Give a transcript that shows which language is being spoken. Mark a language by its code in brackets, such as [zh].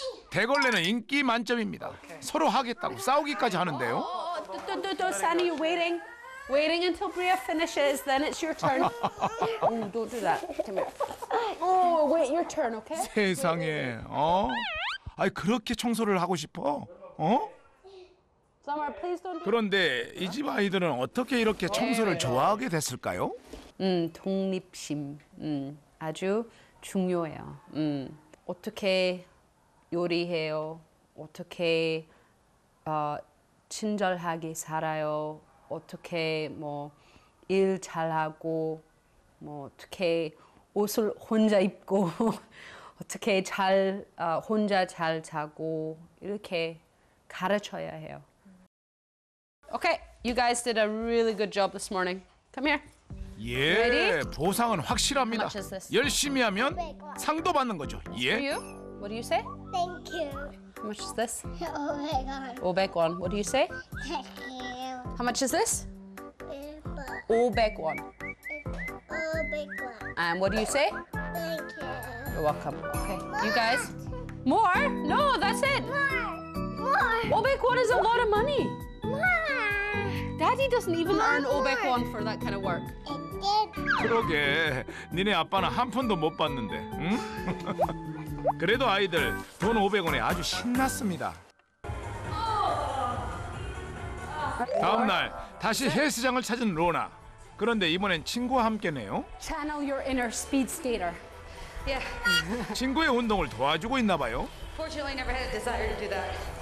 [ko] 대걸레는 인기 만점입니다. 서로 하겠다고 싸우기까지 하는데요. [en] 또, Sunny, waiting. Waiting until Bria finishes, then it's your turn. Oh, don't do that. Come here. Oh, wait, your turn, okay? [ko] 세상에, 어? 아이, 그렇게 청소를 하고 싶어? 어? [en] Summer, please don't. [ko] 그런데 이 집 아이들은 어떻게 이렇게 청소를 좋아하게 됐을까요? 독립심. 아주 중요해요. 어떻게 요리해요? 어떻게 친절하게 살아요? 어떻게 뭐 일 잘하고 뭐 어떻게 옷을 혼자 입고 어떻게 잘 혼자 잘 자고 이렇게 가르쳐야 해요. [en] Okay, you guys did a really good job this morning. Come here. [ko] 예, ready? 보상은 확실합니다. 열심히 하면 상도 받는 거죠. 예. [en] For you? What do you say? Thank you. How much is this? [ko] 500원. [en] 500원. What do you say? Thank you. How much is this? [ko] 500원. [en] 500원. And what do you say? Thank you. You're welcome. Okay. More. You guys? More? No, that's it. More. more. 500 won is a lot of money. More. Daddy doesn't even earn 500 won for that kind of work. [ko] 그러게, 니네 아빠는 한 푼도 못 받는데, 응? 그래도 아이들 돈 500원에 아주 신났습니다. 다음 날 다시 헬스장을 찾은 로나. 그런데 이번엔 친구와 함께네요. [en] Channel your inner speed skater. Yeah. [ko] 친구의 운동을 도와주고 있나 봐요. [en] Fortunately, never had a desire to do that.